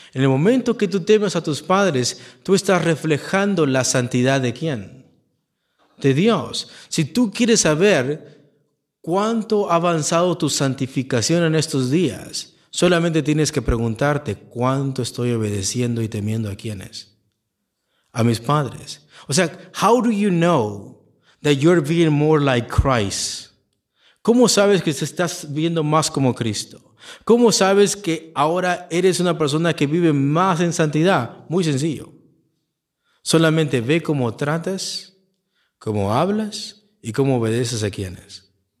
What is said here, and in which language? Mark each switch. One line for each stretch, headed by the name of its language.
Spanish: En el momento que tú temes a tus padres, tú estás reflejando la santidad ¿de quién? De Dios. Si tú quieres saber ¿cuánto ha avanzado tu santificación en estos días? Solamente tienes que preguntarte, ¿cuánto estoy obedeciendo y temiendo a quiénes? A mis padres. O sea,
English: how do you know that you're being more like Christ?
Spanish: ¿Cómo sabes que te estás viendo más como Cristo? ¿Cómo sabes que ahora eres una persona que vive más en santidad? Muy sencillo. Solamente ve cómo tratas, cómo hablas y cómo obedeces a quienes.